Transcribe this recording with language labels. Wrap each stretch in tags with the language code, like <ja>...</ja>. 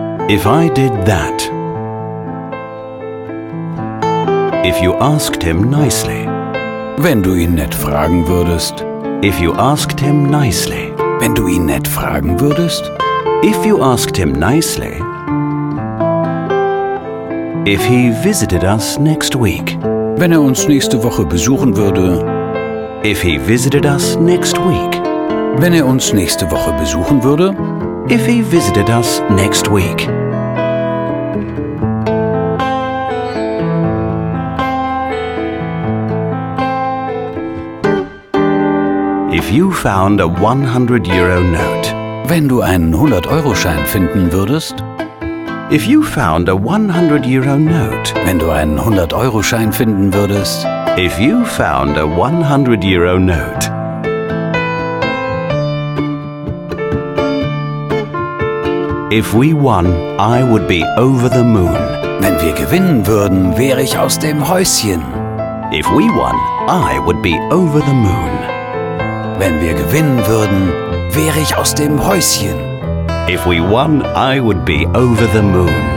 <en>If I did that. If you asked him nicely.</en> <de>Wenn du ihn nett fragen würdest.</de> <en>If you asked him nicely.</en> <de>Wenn du ihn nett fragen würdest.</de> <en>If you asked him nicely. If he visited us next week.</en> <de>Wenn er uns nächste Woche besuchen würde.</de> <en>If he visited us next week.</en> <de>Wenn er uns nächste Woche besuchen würde.</de> <en>If he visited us next week. If you found a 100-euro note.</en> <de>Wenn du einen 100-Euro-Schein finden würdest.</de> <en>If you found a 100-euro note.</en> <de>Wenn du einen 100-Euro-Schein finden würdest.</de> <en>If you found a 100-euro note. If we won, I would be over the moon.</en> <de>Wenn wir gewinnen würden, wäre ich aus dem Häuschen.</de> <en>If we won, I would be over the moon.</en> <de>Wenn wir gewinnen würden, wäre ich aus dem Häuschen.</de> <en>If we won, I would be over the moon.</en>